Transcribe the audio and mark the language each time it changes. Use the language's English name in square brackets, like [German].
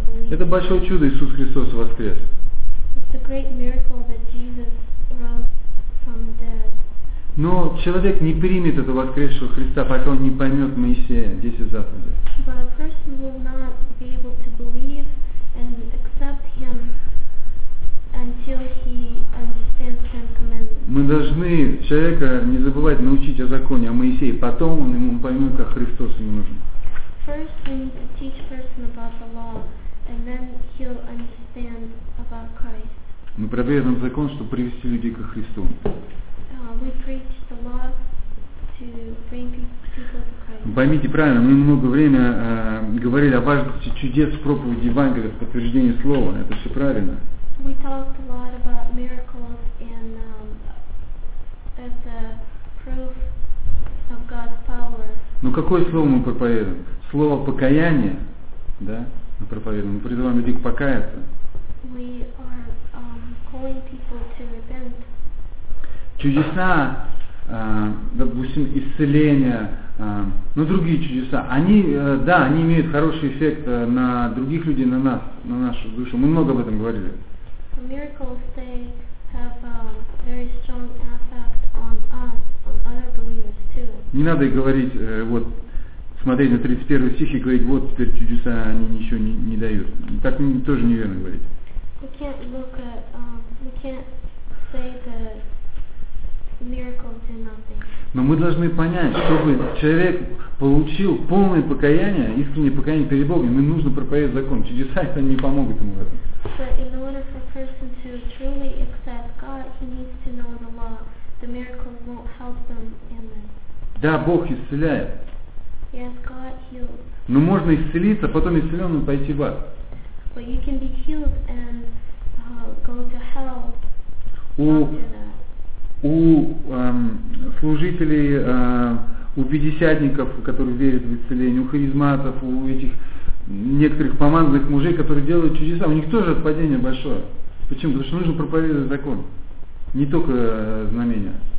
[Russian] Это большое чудо, Иисус Христос воскрес. [English] It's a great miracle that Jesus rose from the dead. [Russian] Но человек не примет этого воскресшего Христа, пока он не поймет Моисея 10 заповедей. [English] But a person will not be able to believe and accept him until he understands the commandments. [Russian] Мы должны человека не забывать научить о законе, о Моисее, потом он ему поймет, как Христос ему нужен. [English] First we need to teach a person about the law, and then he'll understand about Christ. [Russian] Мы проповедуем закон, чтобы привести людей ко Христу. [English] We preach the law to bring people to Christ. [Russian] Поймите правильно, мы много времени говорили о важности чудес в проповеди Евангелия, в подтверждении слова. Это все правильно. [English] We talked a lot about miracles and as a proof of God's power. [Russian] Но какое слово мы проповедуем? Слово покаяние, да? Мы проповедуем. Мы призываем людей покаяться. [English] We are calling people to repent. [Russian] Чудеса, допустим, исцеления, ну, другие чудеса, они, да, они имеют хороший эффект на других людей, на нас, на нашу душу. Мы много об этом говорили. [English] Miracles, they have a very strong effect on us, on other believers too. [Russian] Не надо говорить, вот, смотреть на 31 стих и говорить, вот, теперь чудеса они ничего не дают. Так тоже неверно говорить. [English] We can't look at, we can't say that miracles do nothing. [Russian] Но мы должны понять, чтобы человек получил полное покаяние, искреннее покаяние перед Богом, ему нужно проповедовать закон. Чудеса это не помогут ему в этом. [English] But in order for a person to truly accept God, he needs to know the law. The miracles won't help them in this. [Russian] Да, Бог исцеляет. [English] Yes, God heals. [Russian] Но можно исцелиться, потом исцеленным пойти в ад. [English] But you can be healed and go to hell after that. [Russian] У служителей, у пятидесятников, которые верят в исцеление, у харизматов, у этих некоторых помазанных мужей, которые делают чудеса, у них тоже отпадение большое. Почему? Потому что нужно проповедовать закон, не только знамения.